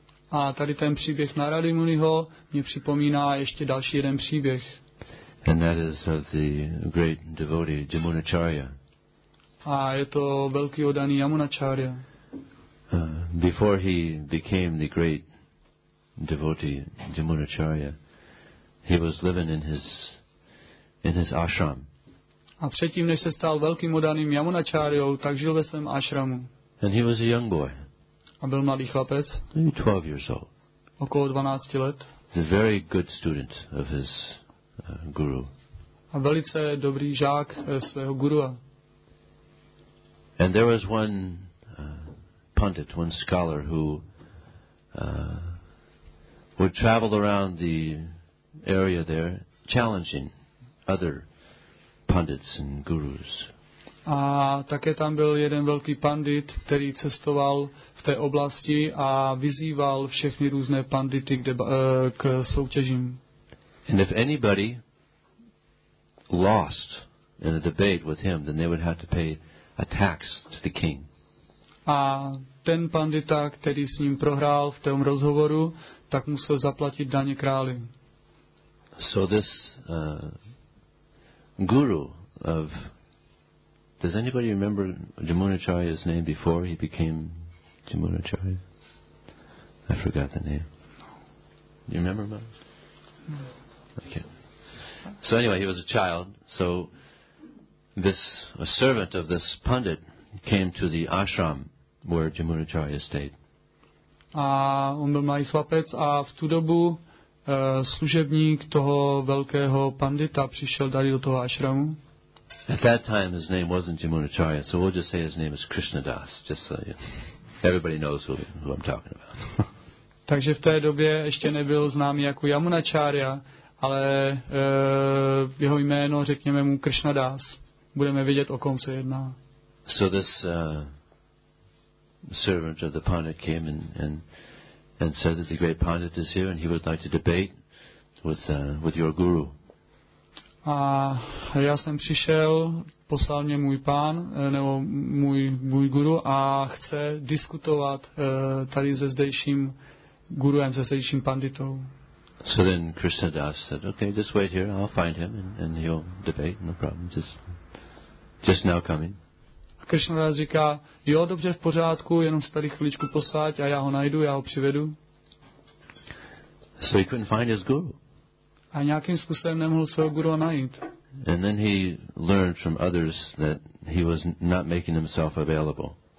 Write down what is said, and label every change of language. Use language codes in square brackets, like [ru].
[cs] A tady ten příběh Narady Muniho mě připomíná ještě další jeden příběh. [en] And that is of the great devotee Yamunacharya. [cs] A je to velký oddaný Yamunacharya. [en] Before he became the great devotee Yamunacharya, he was living in his ashram. [cs] A předtím, než se stal velkým oddaným Yamunacharyou, tak žil ve svém ashramu. [en] And he was a young boy. [cs] A byl mladý chlapec. [en] 12 years old. [cs] Okolo 12 let. [en] A very good student of his guru. [cs] A velice dobrý žák svého gurua. [en] And there was one pundit, one scholar who would travel around the area there challenging other pundits and gurus. [cs] A také tam byl jeden velký pandit, který cestoval v té oblasti a vyzýval všechny různé pandity k soutěžím. [en] And if anybody lost in a debate with him, then they would have to pay a tax to the king. [cs] A ten pandita, který s ním prohrál v tom rozhovoru, tak musel zaplatit daně králi. [en] So this guru of... Does anybody remember Yamunacharya's name before he became Yamunacharya? I forgot the name. Do you remember him? Okay. So anyway, he was a child. So this a servant of this pundit came to the ashram where Yamunacharya stayed. [cs] A on byl malý chlapec a v tu dobu služebník toho velkého pandita přišel tady do toho ashramu. [en] At that time his name wasn't Yamunacharya, so we'll just say his name is Krishnadas, just so you, everybody knows who I'm talking about. [cs] Takže v té době ještě nebyl známý jako Yamunacharya, ale jeho jméno, řekněme mu Krishnadas. Budeme vědět, o kom se jedná. [en] So this servant of the pandit came and said that the great pandit is here and he would like to debate with your guru. [cs] A já jsem přišel, poslal mě můj pán, nebo můj guru a chce diskutovat tady se zdejším gurujem, se zdejším panditou. [en] So then Krishnadas said, okay, just wait here, I'll find him and he'll debate, no problem, just now coming. [cs] A Krishnadas říká, jo, dobře, v pořádku, jenom se tady chviličku posaď a já ho najdu, já ho přivedu. [en] So he couldn't find his guru. [cs] A nějakým způsobem nemohl svého guru najít. [en] And then he learned from others that he was not making himself available.